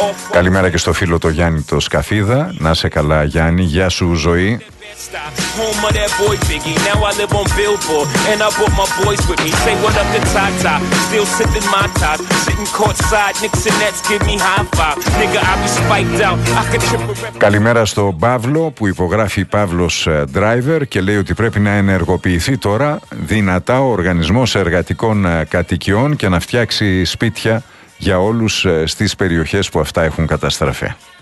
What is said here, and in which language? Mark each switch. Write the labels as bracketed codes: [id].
[el] Καλημέρα και στο φίλο το Γιάννη το Σκαφίδα. Να σε καλά Γιάννη, γεια σου ζωή. [en] Home of that boy Biggie, now I live on Billboard, and I brought my boys with me. Say what up to Tata, still sipping my top, sitting courtside, Knicks and Nets give me high five. Nigga, I be spiked out, I could trip a rep. [el] Καλημέρα στο Παύλο που υπογράφει Παύλος Driver και λέει ότι πρέπει να ενεργοποιηθεί τώρα δυνατά ο οργανισμός εργατικών κατοικιών και να φτιάξει σπίτια για όλους στις περιοχές που αυτά έχουν καταστραφεί.